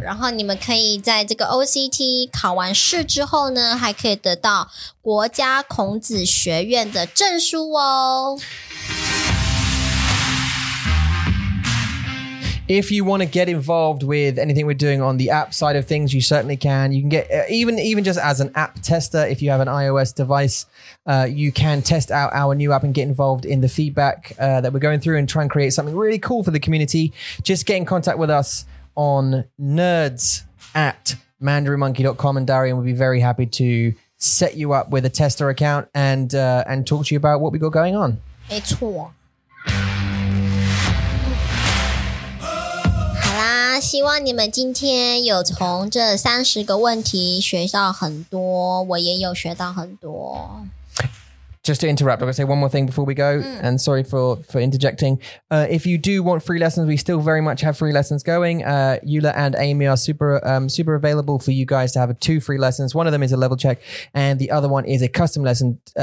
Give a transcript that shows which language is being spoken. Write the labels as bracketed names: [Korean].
[Chinese] 然后你们可以在这个 OCT 考完试之后呢，还可以得到国家孔子学院的证书哦。 [English] If you want to get involved with anything we're doing on the app side of things, you certainly can. You can get, even just as an app tester, if you have an iOS device, you can test out our new app and get involved in the feedback that we're going through and try and create something really cool for the community. Just get in contact with us on nerds@mandarinmonkey.com and Darian will be very happy to set you up with a tester account and talk to you about what we got going on. It's cool. [Chinese] 希望你们今天有从这三十个问题学到很多，我也有学到很多。 [English] Just to interrupt, I'm going to say one more thing before we go, and sorry for interjecting. If you do want free lessons, we still very much have free lessons going. Eula and Amy are super available for you guys to have two free lessons. One of them is a level check, and the other one is a custom lesson.